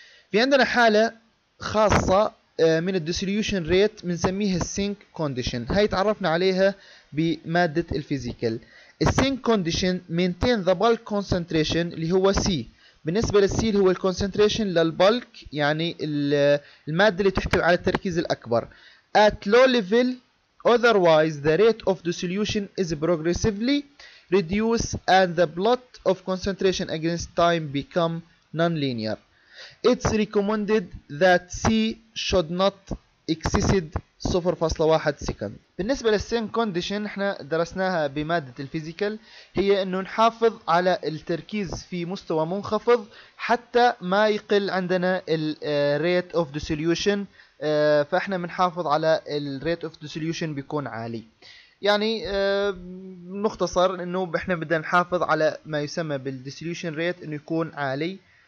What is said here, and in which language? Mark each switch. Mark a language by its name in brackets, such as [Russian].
[Arabic] في عندنا حالة خاصة من dissolution rate بنسميها sink condition، هاي تعرفنا عليها بمادة الفيزيكال. [English] sink condition maintain the bulk concentration [Arabic] اللي هو [English] C. [Arabic] بالنسبة لل C اللي هو concentration للبلك، يعني المادة اللي تحتوي على التركيز الأكبر. [English] At low level, otherwise the rate of dissolution is progressively reduced and the plot of concentration against time become non-linear. It's recommended that C should not exceed 0.1 second. [Arabic] بالنسبة للsink condition احنا درسناها بمادة الفيزيكال، هي انه نحافظ على التركيز في مستوى منخفض حتى ما يقل عندنا rate of dissolution. فاحنا بنحافظ على الـ rate of dissolution بيكون عالي، يعني مختصر انه احنا بدنا نحافظ على ما يسمى بالـ dissolution rate انه يكون عالي.